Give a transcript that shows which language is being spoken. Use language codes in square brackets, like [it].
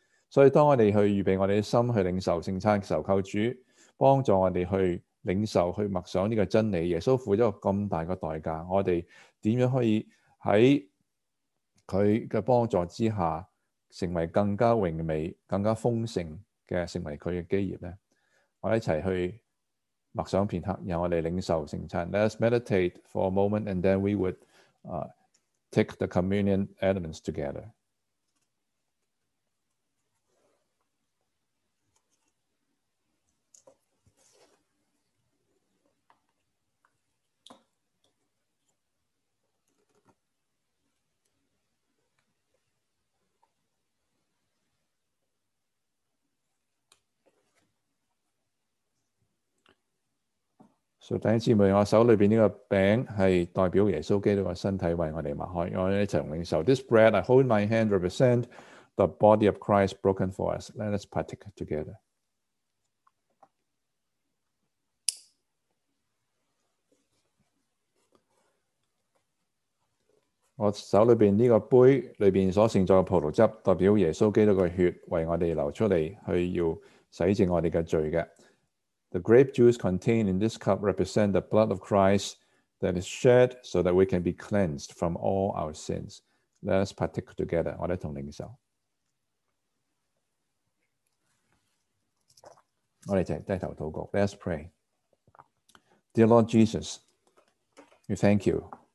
[zh] 所以当我们去预备我们的心去领受圣餐的时候，求主帮助我们去领受，去默想这个真理，耶稣付了这么大的代价，我们怎样可以在祂的帮助之下成为更加荣美，更加丰盛的，成为祂的基业呢？我们一起去默想片刻，让我们领受圣餐。 [en] Let us meditate for a moment and then we would take the communion elements together. [zh] So, 弟兄姊妹，我手里面这个饼是代表耶稣基督的身体为我们擘开，我们一起领受。 [en] This bread I hold in my hand represents the body of Christ broken for us. Let us partake together. [zh] Mm-hmm. 我手里面这个杯里面所盛载的葡萄汁代表耶稣基督的血为我们流出来，去要洗净我们的罪的。 [en] The grape juice contained in this cup represents the blood of Christ that is shed so that we can be cleansed from all our sins. Let us partake together. [zh] 我们同领受。我们低头祷告。 [en] Let us pray. Dear Lord Jesus, we thank you.